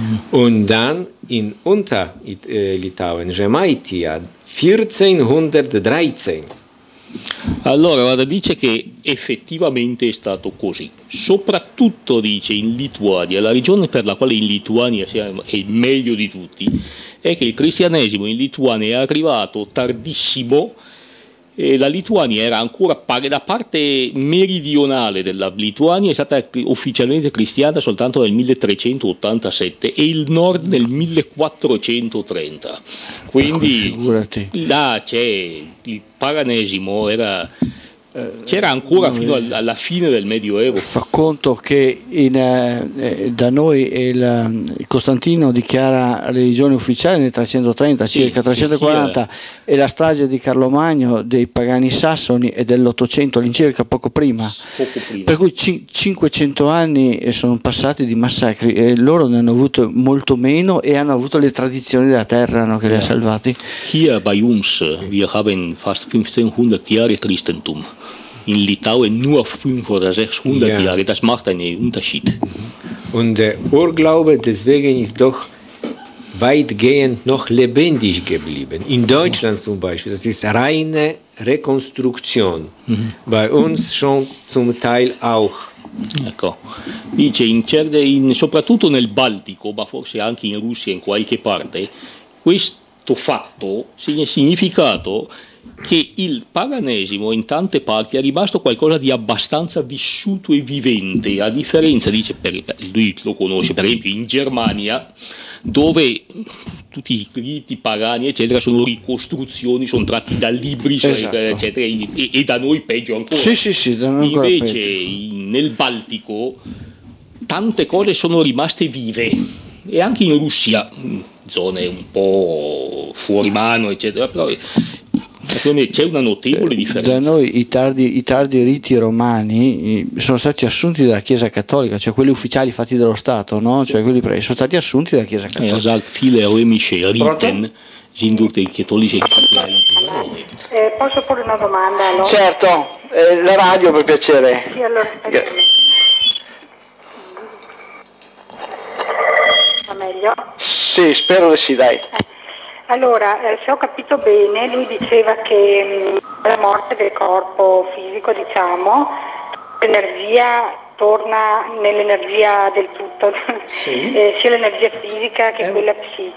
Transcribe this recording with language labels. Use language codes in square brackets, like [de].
[de] Und dann in Unter-Litauen, Žemaitija, 1413. [it] Allora, guarda, dice che effettivamente è stato così. Soprattutto, dice, in Lituania, la regione per la quale in Lituania è il meglio di tutti, è che il cristianesimo in Lituania è arrivato tardissimo e la Lituania era ancora, la parte meridionale della Lituania è stata ufficialmente cristiana soltanto nel 1387 e il nord nel 1430. Quindi, figurati. Là c'è il paganesimo, era, c'era ancora fino alla fine del Medioevo. Fa conto che da noi il Costantino dichiara religione ufficiale nel 330, circa 340, e la strage di Carlo Magno dei pagani sassoni è dell'800, all'incirca poco prima. Per cui 500 anni sono passati di massacri e loro ne hanno avuto molto meno e hanno avuto le tradizioni della terra, no, che li ha salvati. [de] Hier bei uns wir haben fast 1500 Jahre Christentum. In Litauen nur 500 oder 600 Jahre, das macht einen Unterschied. Und der Urglaube deswegen ist doch weitgehend noch lebendig geblieben. In Deutschland zum Beispiel, das ist reine Rekonstruktion. Bei uns schon zum Teil auch. [it] Ecco, dice soprattutto nel Baltico, ma forse anche in Russia in qualche parte, questo fatto significato che il paganesimo in tante parti è rimasto qualcosa di abbastanza vissuto e vivente, a differenza, dice, lui lo conosce, per esempio in Germania, dove tutti i riti pagani eccetera sono ricostruzioni, sono tratti da libri, esatto, eccetera, e da noi peggio ancora. Sì, da noi invece peggio. Nel Baltico tante cose sono rimaste vive, e anche in Russia, zone un po' fuori mano eccetera, però c'è una notevole differenza. Da noi i tardi riti romani sono stati assunti dalla Chiesa Cattolica, cioè quelli ufficiali fatti dallo Stato, no? Cioè quelli sono stati assunti dalla Chiesa Cattolica. Esatto, [de] file romische riten sind durch die katholische Kirche. [it] Posso porre una domanda? No? Certo, la radio per piacere. Sì, allora va meglio? Sì, spero di sì, dai. Allora, se ho capito bene, lui diceva che la morte del corpo fisico, diciamo, l'energia torna nell'energia del tutto, sia l'energia fisica che quella psichica.